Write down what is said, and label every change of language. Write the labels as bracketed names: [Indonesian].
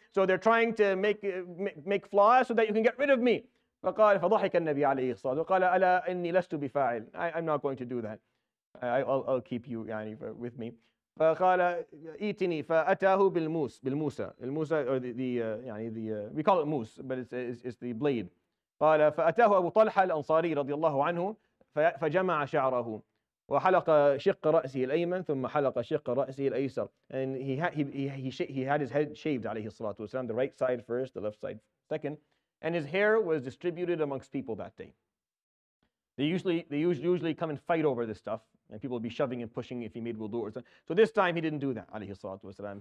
[English] So they're trying to make flaws so that you can get rid of me. [Arabic] فَقَالَ فَضَحِكَ النَّبِيَ عَلَيْهِ الصَّلَاةُ وَقَالَ أَلَا إِنِّي لَسْتُ بِفَاعِلٍ. [English] I'm not going to do that. I'll keep you with me. [Arabic] فقال إيتني فأتاه بالموس بالموسى الموسى [English] or the we call it moose, but it's the blade. [Arabic] قال فأتاه أبو طلحة الأنصاري رضي الله عنه فجمع شعره وحلق شق رأسه الأيمن ثم حلق شق رأسه الأيسر. [English] And he had his head shaved [Arabic] عليه الصلاة والسلام, [English] the right side first, the left side second, and his hair was distributed amongst people that day. They usually come and fight over this stuff. And people would be shoving and pushing if he made wudu or something. So this time he didn't do that, [Arabic] alayhi salatu wasalam.